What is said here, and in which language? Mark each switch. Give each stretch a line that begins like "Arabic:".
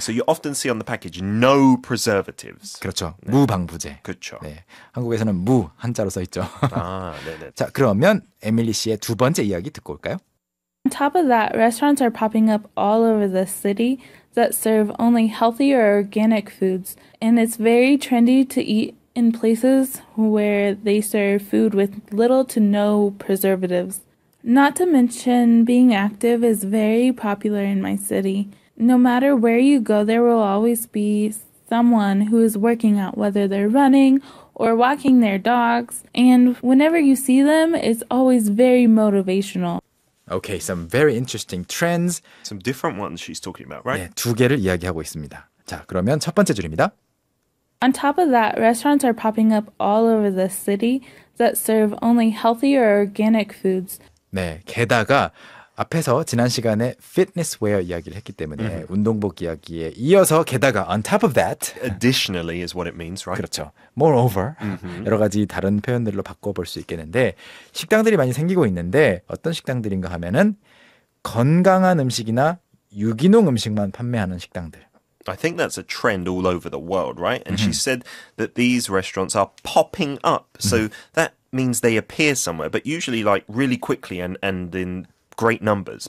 English: So you often see on the package, no preservatives.
Korean: 그렇죠, 네. 무방부제. 그렇죠. 네. 한국에서는 무, 한자로 써있죠. 아, 네네. 자, 그러면 에밀리 씨의 두 번째 이야기 듣고 올까요?
English: On top of that, restaurants are popping up all over the city that serve only healthy or organic foods. And it's very trendy to eat in places where they serve food with little to no preservatives. Not to mention, being active is very popular in my city. No matter where you go, there will always be someone who is working out, whether they're running or walking their dogs. And whenever you see them, it's always very motivational. Okay, some very interesting trends. Some different ones she's talking about, right?
Korean: 네, 두 개를 이야기하고 있습니다. 자, 그러면 첫 번째 줄입니다. On top of that, restaurants are popping up all over the city that serve only healthy or organic foods. 네, 게다가 앞에서 지난 시간에 fitness wear 이야기를 했기 때문에 mm-hmm. 운동복 이야기에 이어서 게다가
English: on top of that. Additionally is what it means, right?
Korean: 그렇죠. Moreover, mm-hmm. 여러 가지 다른 표현들로 바꿔볼 수 있겠는데 식당들이 많이 생기고 있는데 어떤 식당들인가 하면은 건강한 음식이나 유기농 음식만 판매하는 식당들.
English: I think that's a trend all over the world, right? And mm-hmm. she said that these restaurants are popping up. So mm-hmm. that means they appear somewhere, but usually like really quickly and in great numbers